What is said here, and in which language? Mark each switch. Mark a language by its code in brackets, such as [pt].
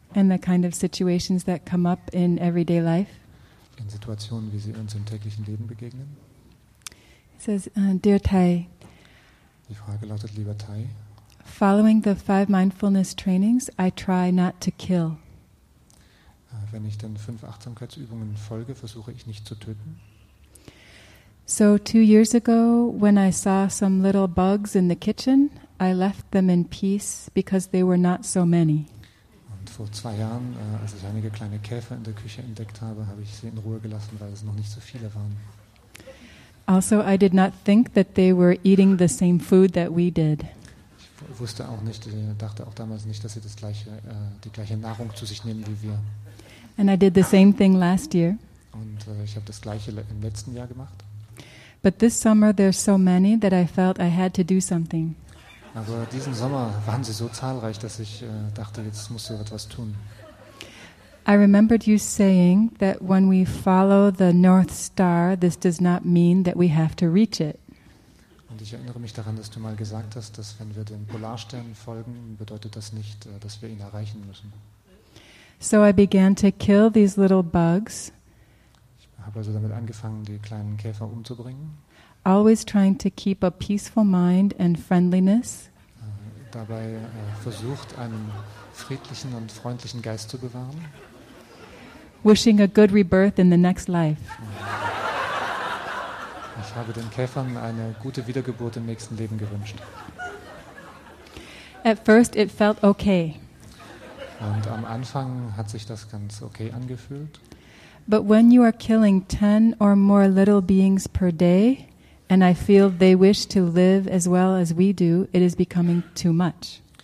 [en] And the kind of situations that come up in everyday life. [de] In Situationen, wie sie uns im täglichen Leben begegnen. [en] says, Dear Thay, [de] die Frage lautet, lieber Thay, [en] following the five mindfulness trainings, I try not to kill. [de] Wenn ich den fünf Achtsamkeitsübungen folge, versuche ich nicht zu töten. [en] So 2 years ago, when I saw some little bugs in the kitchen, I left them in peace because they were not so many. [de] Und vor 2 Jahren, als ich einige kleine Käfer in der Küche entdeckt habe, habe ich sie in Ruhe gelassen, weil es noch nicht so viele waren. [en] Also, I did not think that they were eating the same food that we did. [de] Ich wusste auch nicht, dachte auch damals nicht, dass sie das gleiche, die gleiche Nahrung zu sich nehmen wie wir. [en] And I did the same thing last year. [de] Und ich habe das gleiche im letzten Jahr gemacht. [en] But this summer there's so many that I felt I had to do something. [de] Aber diesen Sommer waren sie so zahlreich, dass ich dachte, jetzt muss ich etwas tun. [en] I remembered you saying that when we follow the North Star, this does not mean that we have to reach it. [de] Und ich erinnere mich daran, dass du mal gesagt hast, dass wenn wir dem Polarstern folgen, bedeutet das nicht, dass wir ihn erreichen müssen. [en] So I began to kill these little bugs. [de] Ich habe also damit angefangen, die kleinen Käfer umzubringen. [en] Always trying to keep a peaceful mind and friendliness. [de] Dabei versucht, einen friedlichen und freundlichen Geist zu bewahren. [en] Wishing a good rebirth in the next life. [de] Ich habe den Käfern eine gute Wiedergeburt im nächsten Leben gewünscht. [en] At first it felt okay. [de] Und am Anfang hat sich das ganz okay angefühlt. [en] But when you are killing 10 or more little beings per day, and I feel they wish to live as well as we do, it is becoming too much.